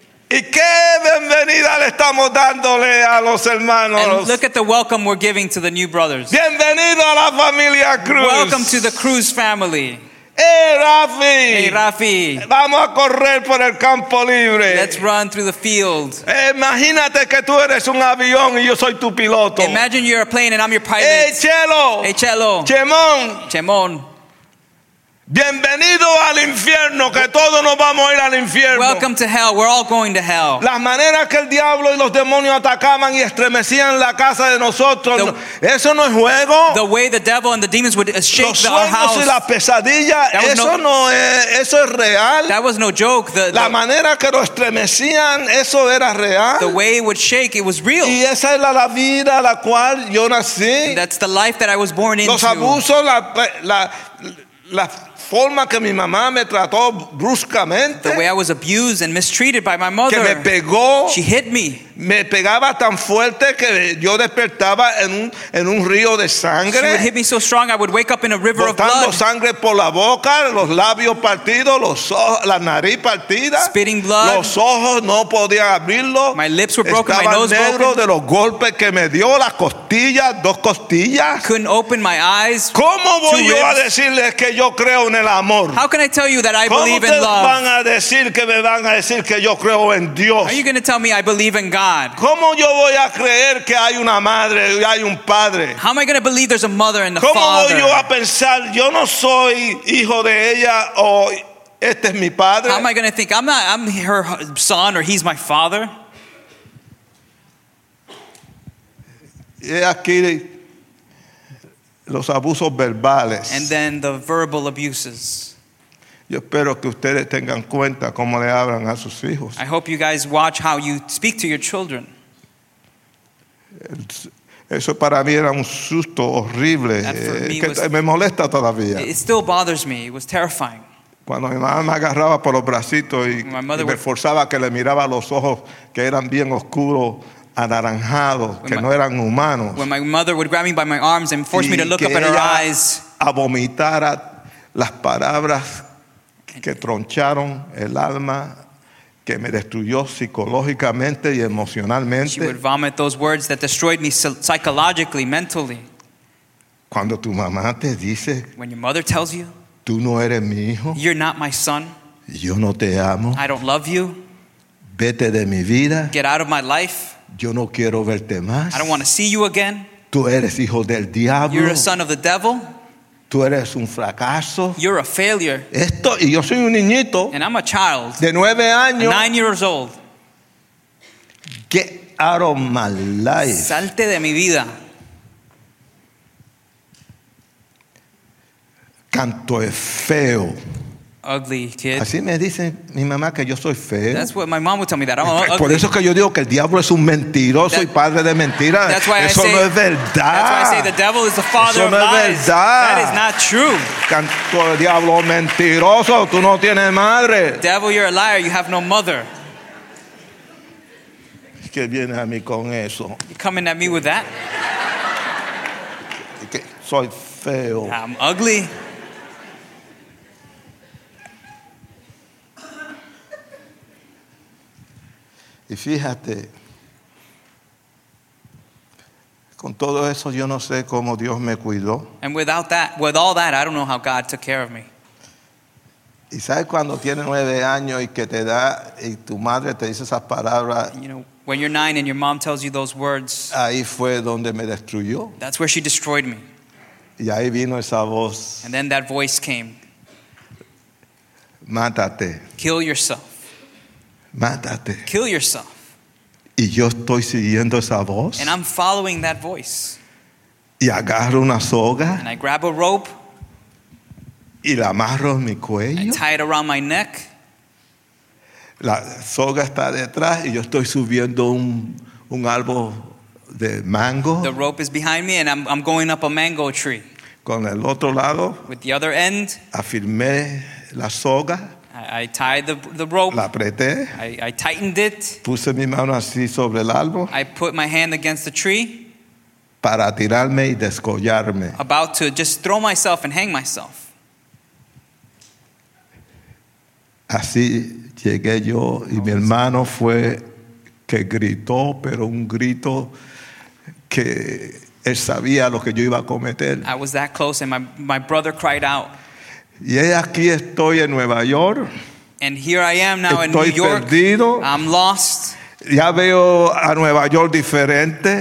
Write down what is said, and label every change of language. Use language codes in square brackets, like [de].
[es] Y qué bienvenida le estamos dándole a los hermanos. [en] And look at the welcome we're giving to the new brothers. [es] Bienvenido a la familia Cruz. [en] Welcome to the Cruz family. [es] Hey Rafi, vamos a correr por el campo libre. [en] Let's run through the field. [es] Imagínate que tú eres un avión y yo soy tu piloto. [en] Imagine you're a plane and I'm your pilot. [es] Hey Chelo. Chemón. Bienvenido al infierno, que todos nos vamos a ir al infierno. [en] Welcome to hell, we're all going to hell. [es] Las maneras que el diablo y los demonios atacaban y estremecían la casa de nosotros, eso no es juego. [en] The way the devil and the demons would shake our house. [es] Los sueños y la pesadilla, eso es real. [en] That was no joke. [es] La manera que lo estremecían, eso era real. [en] The way it would shake, it was real. [es] Y esa es la vida a la cual yo nací. [en] That's the life that I was born into. [es] Los abusos, la forma que mi mamá me trató bruscamente. [en] The way I was abused and mistreated by my mother. [es] Que me pegó. [en] She hit me. [es] Me pegaba tan fuerte que yo despertaba en un río de sangre. [en] She would hit me so strong I would wake up in a river of blood. [es] Botando sangre por la boca, los labios partidos, los ojos, la nariz partida. [en] Spitting blood. [es] Los ojos no podía abrirlo. [en] My lips were broken. [es] Estaba [en] my nose [es] negro [en] broken. [es] De los golpes que me dio las costillas, dos costillas. [en] Couldn't open my eyes. [es] ¿Cómo voy yo a decirles que yo creo en el el amor? [en] How can I tell you that I believe in love? [es] ¿Cómo van a decir que me van a decir que yo creo en Dios? [en] Are you going to tell me I believe in God? [es] ¿Cómo yo voy a creer que hay una madre y hay un padre? [en] How am I going to believe there's a mother and a [es] ¿Cómo [en] father? [es] ¿Cómo voy yo a pensar yo no soy hijo de ella o este es mi padre? [en] How am I going to think I'm her son or he's my father? [es] Y aquí los abusos verbales. [en] And then the verbal abuses. [es] Yo espero que ustedes tengan cuenta cómo le hablan a sus hijos. [en] I hope you guys watch how you speak to your children. [es] Eso para mí era un susto horrible. Me molesta todavía. [en] It still bothers me. It was terrifying. [es] Cuando mi mamá me agarraba por los bracitos y me forzaba que le miraba los ojos que eran bien oscuros. Anaranjados, que no eran humanos. [en] When my mother would grab me by my arms and force me to look up at her eyes. [es] A vomitar las palabras que troncharon el alma, que me destruyó psicológicamente y emocionalmente. [en] She would vomit those words that destroyed me psychologically, mentally. [es] Cuando tu mamá te dice, [en] when your mother tells you, [es] tú no eres mi hijo, [en] you're not my son, [es] yo no te amo, [en] I don't love you, [es] vete de mi vida, [en] get out of my life. [es] Yo no quiero verte más. [en] I don't want to see you again. [es] Tú eres hijo del diablo. [en] You're a son of the devil. [es] Tú eres un fracaso. [en] You're a failure. [es] Esto, y yo soy un niñito. [en] And I'm a child. [es] De 9 años. [en] 9 years old. Get out of my life. [es] Salte de mi vida. Canto es feo. [en] Ugly kid. [es] Así me dice mi mamá que yo soy feo. [en] That's what my mom would tell me that I'm ugly. [es] Por eso que yo digo que el diablo es un mentiroso y padre de mentiras. [en] That's why [es] eso [en] I say, [es] no es verdad. [en] That's why I say the devil is the father [es] eso [en] of [es] no [en] lies. [es] Es verdad. [en] That is not true. [es] Canto el diablo mentiroso, tú no tienes madre. [en] Devil, you're a liar, you have no mother. [es] ¿Qué viene a mí con eso? [en] You coming at me with that? [es] Que soy feo. [en] I'm ugly. [es] Y fíjate, con todo eso yo no sé cómo Dios me cuidó. [en] And without that, with all that, I don't know how God took care of me. [es] Y sabes cuando tienes 9 años y que te da y tu madre te dice esas palabras. [en] You know, when you're 9 and your mom tells you those words. [es] Ahí fue donde me destruyó. [en] That's where she destroyed me. [es] Y ahí vino esa voz. [en] And then that voice came. [es] Mátate. [en] Kill yourself. [es] Mátate. [en] Kill yourself. [es] Y yo estoy siguiendo esa voz. [en] And I'm following that voice. [es] Y agarro una soga. [en] And I grab a rope. [es] Y la amarro en mi cuello. [en] I tie it around my neck. [es] La soga está detrás y yo estoy subiendo un árbol de mango. [en] The rope is behind me and I'm going up a mango tree. [es] Con el otro lado. [en] With the other end. [es] Afirmé la soga. [en] I tied the rope. [es] La apreté. [en] I tightened it. [es] Puse mi mano así sobre el árbol. [en] I put my hand against the tree. [es] Para tirarme y descollarme. [en] About to just throw myself and hang myself. [es] Así llegué yo y mi hermano fue que gritó, pero un grito que él sabía lo que yo iba a cometer. [en] I was that close and my brother cried out. [es] Y aquí estoy en Nueva York. [en] And here I am now [es] estoy [en] in New York. [es] Perdido. [en] I'm lost. [es] Ya veo a Nueva York diferente.